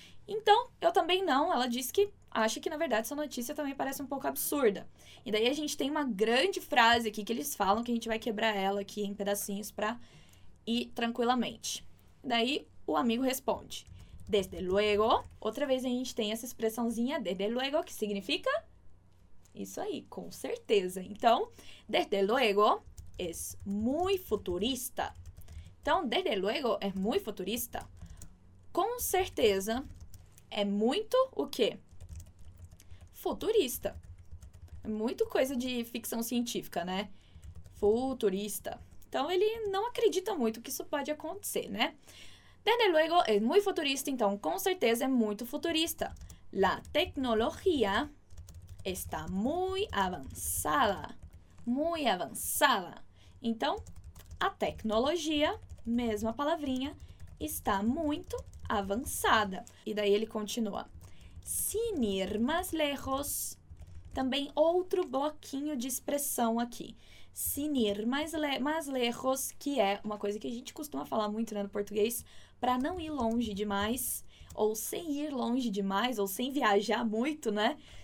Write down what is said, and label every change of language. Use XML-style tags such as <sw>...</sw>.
<pt>Então, eu também não. Ela disse que acha que, na verdade, essa notícia também parece um pouco absurda. E daí a gente tem uma grande frase aqui que eles falam, que a gente vai quebrar ela aqui em pedacinhos pra ir tranquilamente. E daí o amigo responde. Desde luego. Outra vez a gente tem essa expressãozinha, desde luego, que significa? Isso aí, com certeza.</pt> <es>Então, desde luego es muy futurista. Então, desde luego es muy futurista.</es> <pt>Com certeza. É muito o quê? Futurista. É muito coisa de ficção científica, né? Futurista. Então, ele não acredita muito que isso pode acontecer, né?</pt> <es>Desde luego, es muy futurista.</es> <pt>Então, com certeza, é muito futurista.</pt> <es>La tecnología está muy avanzada. Muy avanzada.</es> <pt>Então, a tecnologia, mesma palavrinha, está muito avançada. E daí ele continua.</pt> <es>Sin ir más lejos,</es> <pt>Também outro bloquinho de expressão aqui.</pt> <es>Sin ir mais lejos,</es> <pt>que é uma coisa que a gente costuma falar muito, né, no português, para não ir longe demais, ou sem ir longe demais, ou sem viajar muito, né?</pt>